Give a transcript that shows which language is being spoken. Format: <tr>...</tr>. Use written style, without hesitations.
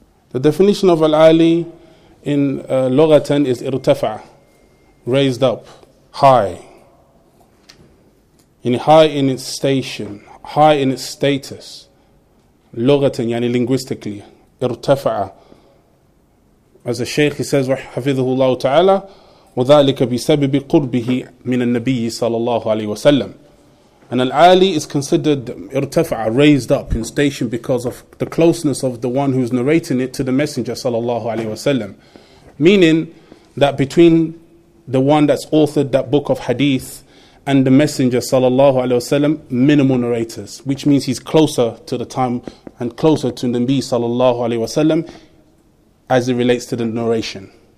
<en>The definition of al-ali in lughatan is irtafa, raised up, high. In high in its station, high in its status. Lughatan, yani linguistically, irtafa. As the Shaykh, he says,</en> <ar>حَفِذُهُ اللَّهُ تَعَالَى وَذَلِكَ بِسَبِبِ قُرْبِهِ مِنَ النَّبِيِّ صَلَى اللَّهُ عَلَيْهِ وَسَلَّمُ.</ar> <en>And al-ali is considered irtafa, raised up in station, because of the closeness of the one who's narrating it to the Messenger sallallahu alayhi wasallam. Meaning that between the one that's authored that book of hadith and the Messenger sallallahu alayhi wasallam, minimal narrators, which means he's closer to the time and closer to the Nabi sallallahu alayhi wasallam as it relates to the narration.</en>